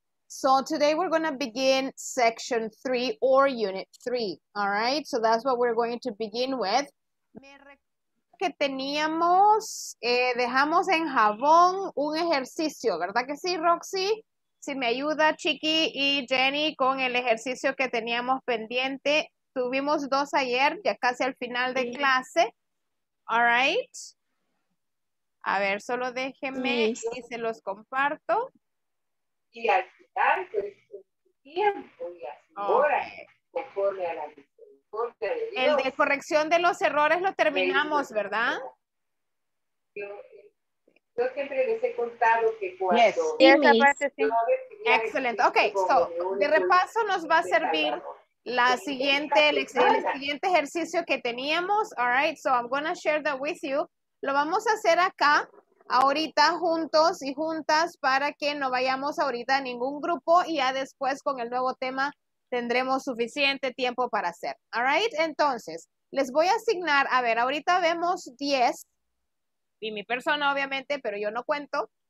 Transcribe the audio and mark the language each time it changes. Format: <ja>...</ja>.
<en>So today we're going to begin section 3 or unit 3. All right, so that's what we're going to begin with.</en> <es>Que teníamos, dejamos en jabón un ejercicio, ¿verdad que sí, Roxy? Si me ayuda Chiqui y Jenny con el ejercicio que teníamos pendiente. Tuvimos 2 ayer, ya casi al final de clase. All right. A ver, solo déjenme y se los comparto. Y al final, pues, el tiempo y las horas, conforme a la vida. El de corrección de los errores lo terminamos, ¿verdad? Yo siempre les he contado que cuando...</es> <en>Yes.</en> <es>Y esa parte, sí. Excelente. Ok, so, de repaso nos va a servir la siguiente, el siguiente ejercicio que teníamos.</es> <en>All right, so I'm going to share that with you.</en> <es>Lo vamos a hacer acá, ahorita, juntos y juntas, para que no vayamos ahorita a ningún grupo y ya después con el nuevo tema tendremos suficiente tiempo para hacer. All right, entonces, les voy a asignar, a ver, ahorita vemos 10, y mi persona obviamente, pero yo no cuento.</es>